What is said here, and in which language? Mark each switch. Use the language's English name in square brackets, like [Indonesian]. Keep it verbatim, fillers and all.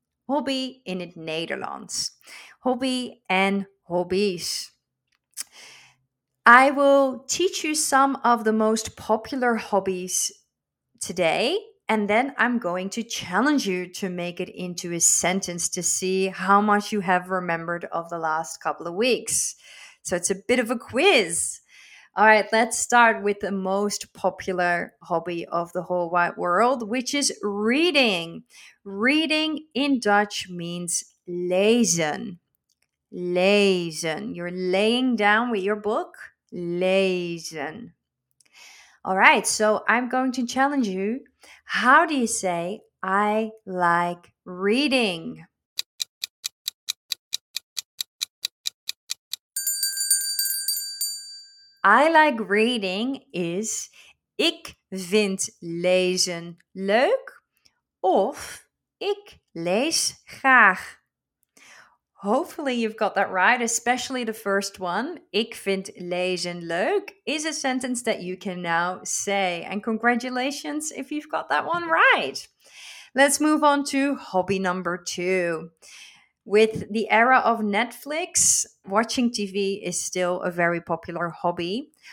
[Dutch] Hobby in het Nederlands. Hobby en hobby's. [English] I will teach you some of the most popular hobbies today, and then I'm going to challenge you to make it into a sentence to see how much you have remembered of the last couple of weeks. So it's a bit of a quiz. All right, let's start with the most popular hobby of the whole wide world, which is reading. Reading in Dutch means lezen. Lezen. You're laying down with your book. [Dutch] Lezen. [English] All right, so I'm going to challenge you. How do you say, I like reading? I like reading is, [Dutch] ik vind lezen leuk, of ik lees graag. [English] Hopefully you've got that right, especially the first one. [Dutch] Ik vind lezen leuk [English] is a sentence that you can now say. And congratulations if you've got that one right. Let's move on to hobby number two. With the era of Netflix, watching T V is still a very popular hobby.